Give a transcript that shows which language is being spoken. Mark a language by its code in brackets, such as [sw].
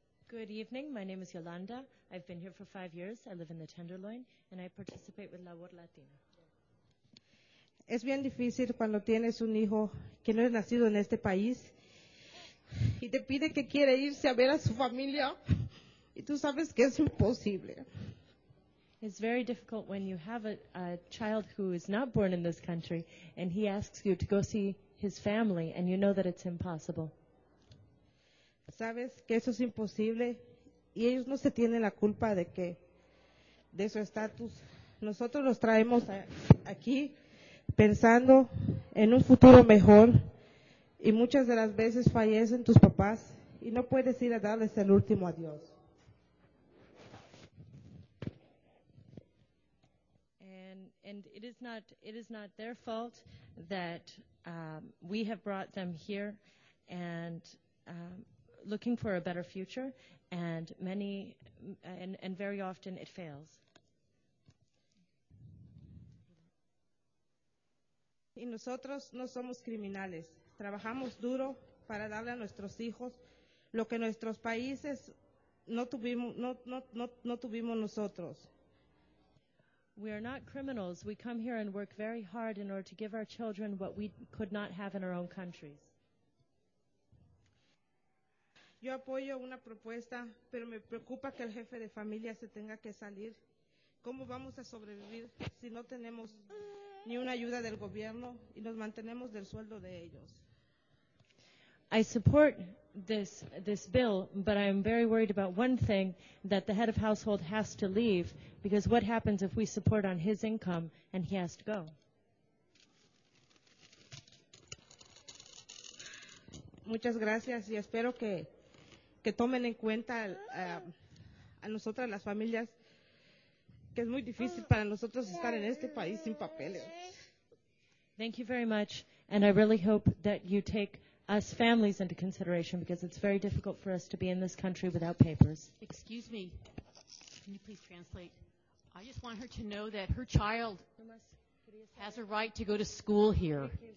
[en] Good evening. My name is Yolanda. I've been here for 5 years. I live in the Tenderloin, and I participate with La Voz Latina. [es] Es bien difícil cuando tienes un hijo que no es nacido en este país y te pide que quiere irse a ver a su familia y tú sabes que es imposible. [en] It's very difficult when you have a child who is not born in this country and he asks you to go see his family and you know that it's impossible. [es] Sabes que eso es imposible y ellos no se tienen la culpa de que de su estatus. Nosotros los traemos aquí pensando en un futuro mejor y muchas de las veces fallecen tus papás y no puedes ir a darles el último adiós. [en] And it is not their fault that we have brought them here and looking for a better future, and many, and very often it fails. [es] Y nosotros no somos criminales. Trabajamos duro para darle a nuestros hijos lo que nuestros países no tuvimos nosotros. [en] We are not criminals. We come here and work very hard in order to give our children what we could not have in our own countries. [es] Yo apoyo una propuesta, pero me preocupa que el jefe de familia se tenga que salir. ¿Cómo vamos a sobrevivir si no tenemos ni una ayuda del gobierno y nos mantenemos del sueldo de ellos? [en] I support this bill, but I am very worried about one thing, that the head of household has to leave, because what happens if we support on his income and he has to go? [es] Muchas gracias y espero que tomen en cuenta a nosotras las familias, que es muy difícil para nosotros estar en este país sin papeles. [en] Thank you very much, and I really hope that you take us families into consideration, because it's very difficult for us to be in this country without papers. Excuse me. Can you please translate? I just want her to know that her child has a right to go to school here.